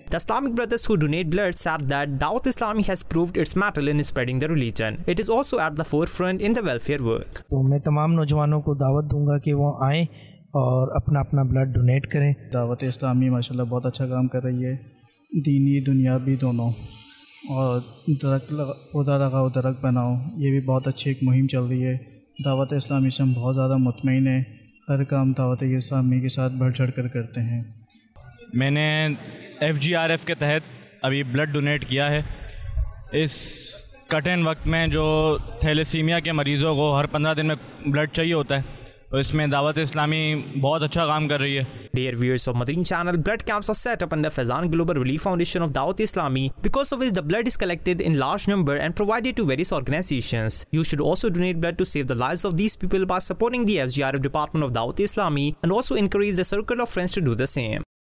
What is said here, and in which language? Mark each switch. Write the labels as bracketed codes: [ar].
[en] The Islamic brothers who donate blood said that Dawat Islami has proved its mettle in spreading the religion. It is also at the forefront in the welfare work. [ur] تو میں تمام نوجوانوں کو دعوت دوں گا کہ وہ آئیں اور اپنا اپنا بلڈ ڈونیٹ کریں. دعوت اسلامی ماشاءاللہ بہت اچھا کام کر رہی ہے, دینی دنیاوی دونوں, اور درخت پودا لگاؤ درخت بناؤ, یہ بھی بہت اچھی ایک مہم چل رہی ہے. دعوت اسلامی سے ہم بہت زیادہ مطمئن ہیں, ہر کام دعوت اسلامی کے ساتھ بڑھ چڑھ کر کرتے ہیں. میں نے FGRF کے تحت ابھی بلڈ ڈونیٹ کیا ہے. اس کٹھن وقت میں جو تھیلیسیمیا کے مریضوں کو ہر 15 دن میں بلڈ چاہیے ہوتا ہے, اس میں دعوت اسلامی بہت اچھا کام کر رہی ہے. [en] Dear viewers of Madani channel, blood camps are set up under Fazan Global Relief Foundation of Dawat Islami, because of which the blood is collected in large number and provided to various organizations. You should also donate blood to save the lives of these people by supporting the FGRF department of Dawat Islami and also encourage the circle of friends to do the same.